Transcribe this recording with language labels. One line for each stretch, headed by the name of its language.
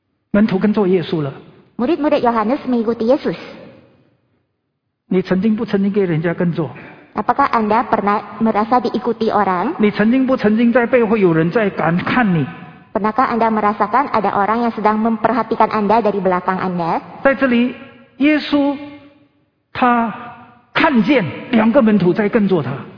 Chinese: 门徒跟着耶稣了。
Indonesian: Murid-murid Yohanes mengikuti Yesus.
Chinese: 你曾经不曾经给人家跟着?
Indonesian: Apakah Anda pernah merasa diikuti orang?
Chinese: 你曾经不曾经在背后有人在看你?
Indonesian: Pernahkah Anda merasakan ada orang yang sedang memperhatikan Anda dari belakang Anda?
Chinese: 在这里, 耶稣, 他看见两个门徒在跟着他。